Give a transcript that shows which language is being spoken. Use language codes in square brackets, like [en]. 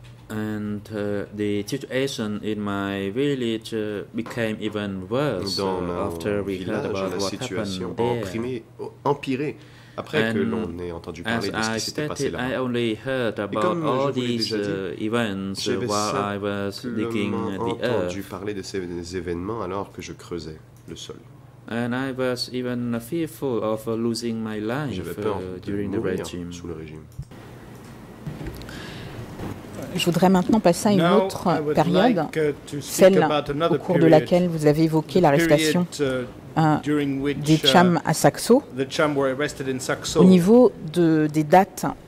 [en] And the situation in my village became even worse after we heard about what happened there. [fr] Après [en] and [fr] que l'on ait entendu parler de ce qui s'était passé là. [en] I only heard about all these events while I was digging the earth. [fr] J'ai entendu parler de ces événements alors que je creusais le sol. [en] And I was even fearful of losing my life during the regime. [fr] Sous le régime. Je voudrais maintenant passer à une autre période, celle au cours de laquelle vous avez évoqué l'arrestation des Cham à Saxo. Au niveau des dates